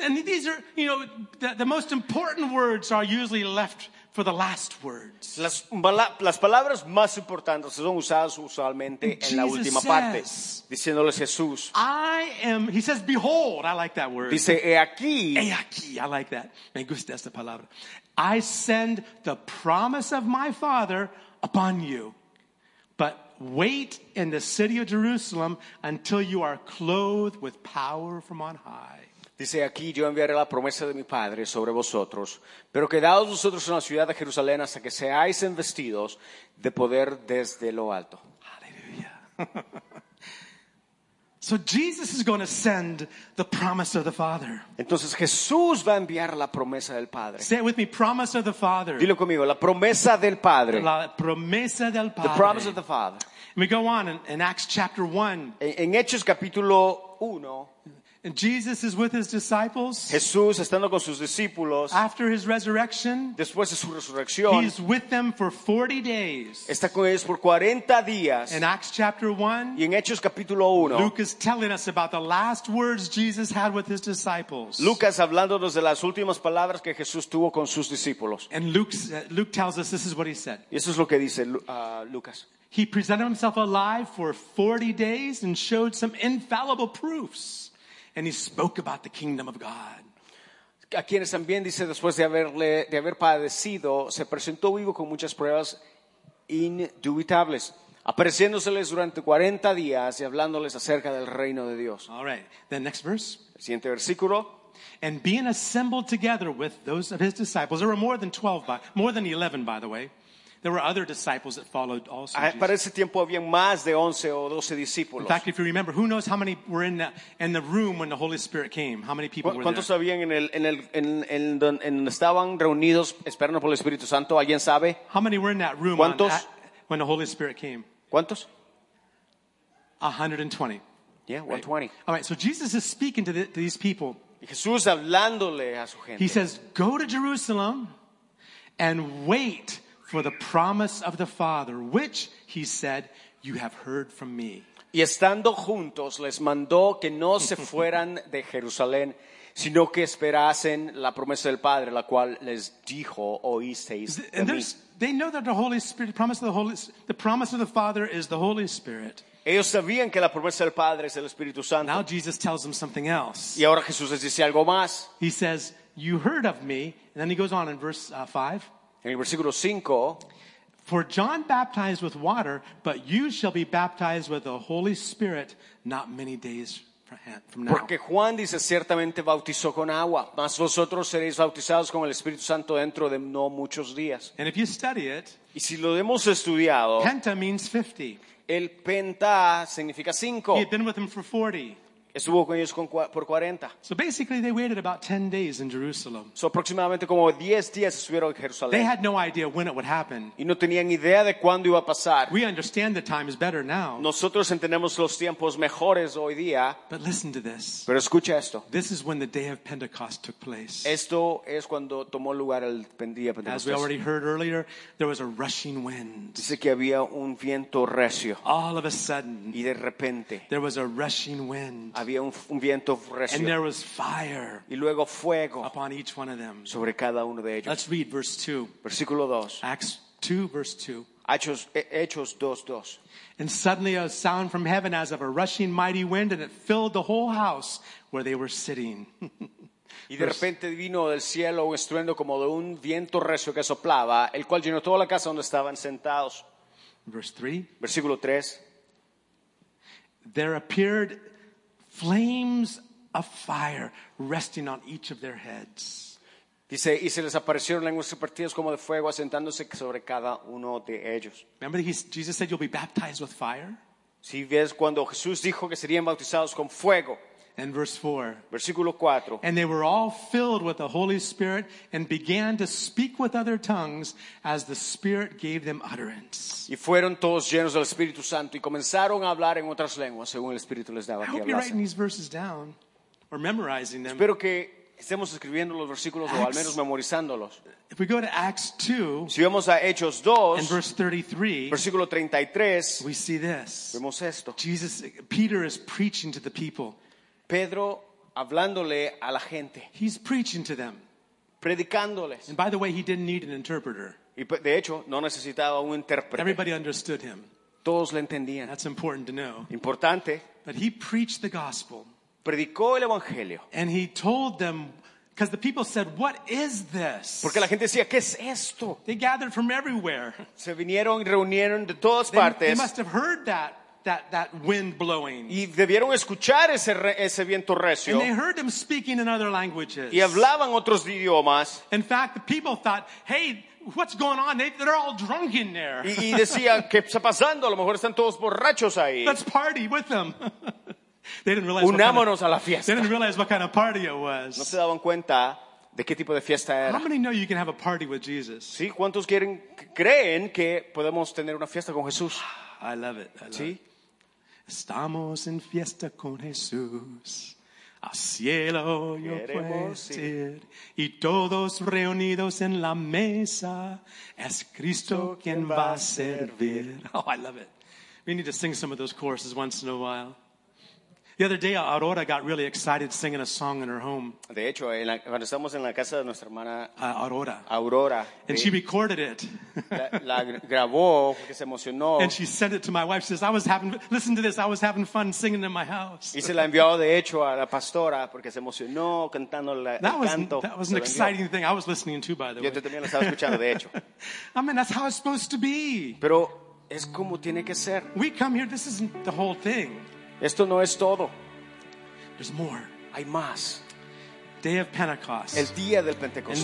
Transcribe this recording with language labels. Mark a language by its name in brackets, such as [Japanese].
[English] And these are, you know, the most important words are usually left for the last words. [Spanish] Las palabras más importantes son usadas usualmente en la última parte. Diciéndoles Jesús. [English] He says, behold, I like that word. [Spanish] Dice, he aquí. He aquí, [English] I like that. [Spanish] Me gusta esta palabra. [English] I send the promise of my Father upon you. But wait in the city of Jerusalem until you are clothed with power from on high. [Spanish] Dice, aquí yo enviaré la promesa de mi Padre sobre vosotros, pero quedaos vosotros en la ciudad de Jerusalén hasta que seáis investidos de poder desde lo alto. Aleluya. [English] So Jesus is going to send the promise of the Father. [Spanish] Entonces Jesús va a enviar la promesa del Padre. [English] Say it with me, promise of the Father. [Spanish] Dilo conmigo, la promesa del Padre. La promesa del Padre. [English] The promise of the Father. And we go on in Acts chapter 1. [Spanish] En Hechos capítulo 1. [English] And Jesus is with his disciples. [Spanish] Jesús estando con sus discípulos. [English] After his resurrection. [Spanish] Después de su resurrección. [English] He's with them for 40 days. [Spanish] Está con ellos por 40 días. [English] In Acts chapter 1. [Spanish] Y en Hechos capítulo 1. [English] Luke is telling us about the last words Jesus had with his disciples. [Spanish] Lucas hablándonos de las últimas palabras que Jesús tuvo con sus discípulos. [English] And Luke tells us this is what he said. [Spanish] Y eso es lo que dice Lucas. [English] He presented himself alive for 40 days and showed some infallible proofs. And he spoke about the kingdom of God. [Spanish] A quienes también dice después de haber padecido, se presentó vivo con muchas pruebas indubitables, apareciéndoseles durante 40 días y hablándoles acerca del reino de Dios. [English] All right. The next verse. [Spanish] El siguiente versículo. [English] And being assembled together with those of his disciples, there were more than 11, by the way. There were other disciples that followed also. [Spanish] Para ese tiempo había más de 11 o 12 discípulos. [English] In fact, if you remember, who knows how many were in the room when the Holy Spirit came? How many people were there? [Spanish] ¿Cuántos habían en donde estaban reunidos esperando por el Espíritu Santo? ¿Alguien sabe? [English] How many were in that room when the Holy Spirit came? [Spanish] ¿Cuántos? 120. [English] Yeah, 120. Right. All right, so Jesus is speaking to these people. [Spanish] Jesús hablándole a su gente. [English] He says, "Go to Jerusalem and wait for the promise of the Father, which he said, you have heard from me." [Spanish] Y estando juntos, les mandó que no se fueran de Jerusalén, sino que esperasen la promesa del Padre, la cual les dijo, oísteis de mí. [English] They know that the Holy Spirit, the promise of the Father is the Holy Spirit. [Spanish] Ellos sabían que la promesa del Padre es el Espíritu Santo. [English] Now Jesus tells them something else. [Spanish] Y ahora Jesús les dice algo más. [English] He says, "You heard of me," and then he goes on in verse 5. [Spanish] En el versículo 5, [English] "For John baptized with water, but you shall be baptized with the Holy Spirit not many days from now." [Spanish] Porque Juan dice ciertamente bautizó con agua, mas vosotros seréis bautizados con el Espíritu Santo dentro de no muchos días. [English] And if you study it, [Spanish] y si lo hemos estudiado, [English] penta means 50. [Spanish] El penta significa 5. [English] He had been with him for 40. [Spanish] Estuvo con ellos por 40. [English] So basically they waited about 10 days in Jerusalem. [Spanish] So aproximadamente como 10 días estuvieron en Jerusalén. [English] They had no idea when it would happen. [Spanish] Y no tenían idea de cuándo iba a pasar. [English] We understand the time is better now. [Spanish] Nosotros entendemos los tiempos mejores hoy día. [English] But listen to this. [Spanish] Pero escucha esto. [English] This is when the day of Pentecost took place. [Spanish] Esto es cuando tomó lugar el día de Pentecostés. [English] As we already heard earlier, there was a rushing wind. [Spanish] Dice que había un viento recio. [English] All of a sudden. [Spanish] Y de repente. [English] There was a rushing wind. [Spanish] Había un viento recio. [English] And there was fire. [Spanish] Y luego fuego. [English] Upon each one of them. [Spanish] Sobre cada uno de ellos. [English] Let's read verse 2. [Spanish] Versículo 2. [English] Acts 2 verse 2. [Spanish] Hechos 2:2. [English] And suddenly a sound from heaven as of a rushing mighty wind, and it filled the whole house where they were sitting. [Spanish] Y de repente vino del cielo un estruendo como de un viento recio que soplaba, el cual llenó toda la casa donde estaban sentados. [English] Verse 3. [Spanish] Versículo 3. [English] There appeared flames of fire resting on each of their heads. [Spanish] Dice, y se les aparecieron lenguas repartidas como de fuego asentándose sobre cada uno de ellos. [English] Remember, Jesus said you'll be baptized with fire? [Spanish] Si ves cuando Jesús dijo que serían bautizados con fuego. [English] And verse 4. [Spanish] Versículo 4. [English] And they were all filled with the Holy Spirit and began to speak with other tongues as the Spirit gave them utterance. [Spanish] Y fueron todos llenos del Espíritu Santo y comenzaron a hablar en otras lenguas según el Espíritu les daba que hablasen. [English] I hope you're writing these verses down or memorizing them. [Spanish] Espero que estemos escribiendo los versículos o al menos memorizándolos. [English] If we go to Acts 2, [Spanish] si vamos a Hechos 2, [English] in verse 33, [Spanish] versículo 33, [English] we see this. [Spanish] Vemos esto. [English] Jesus, Peter is preaching to the people. [Spanish] Pedro hablándole a la gente. [English] He's preaching to them. [Spanish] Predicándoles. [English] And by the way, he didn't need an interpreter. [Spanish] Y de hecho, no necesitaba un intérprete. [English] Everybody understood him. [Spanish] Todos le entendían. [English] That's important to know. [Spanish] Importante. [English] But he preached the gospel. [Spanish] Predicó el evangelio. [English] And he told them, because the people said, "What is this?" [Spanish] Porque la gente decía, ¿qué es esto? [English] They gathered from everywhere. [Spanish] Se vinieron y reunieron de todas partes. [English] They must have heard that. That wind blowing. [Spanish] Y debieron escuchar ese viento recio. [English] And they heard him speaking in other languages. [Spanish] Y hablaban otros idiomas. [English] In fact, the people thought, "Hey, what's going on? They're all drunk in there." [Spanish] Y decía, ¿qué está pasando? A lo mejor están todos borrachos ahí. [English] Let's party with them. They didn't realize. [Spanish] Unámonos a la fiesta. [English] They didn't realize what kind of party it was. [Spanish] No se daban cuenta de qué tipo de fiesta era. [English] How many know you can have a party with Jesus? [Spanish] Sí, ¿cuántos creen que podemos tener una fiesta con Jesús? [English] I love it. [Spanish] Sí. Estamos en fiesta con Jesús, al cielo yo puedo ir, y todos reunidos en la mesa, es Cristo quien va a servir. [English] Oh, I love it. We need to sing some of those choruses once in a while. The other day, Aurora got really excited singing a song in her home. [Spanish] De hecho, cuando estamos en la casa de nuestra hermana Aurora. Aurora. [English] And she recorded it. [Spanish] La grabó porque se emocionó. [English] And she sent it to my wife. She says, listen to this, I was having fun singing in my house. [Spanish] Y se la envió, de hecho, a la pastora porque se emocionó cantando el canto. [English] That was an exciting thing I was listening to, by the way. [Spanish] Yo también la estaba escuchando, de hecho. [English] I mean, that's how it's supposed to be. [Spanish] Pero es como tiene que ser. [English] We come here, this isn't the whole thing. [Spanish] Esto no es todo. [English] There's more. [Spanish] Hay más. [English] Day of Pentecost. [Spanish] El día del Pentecostés.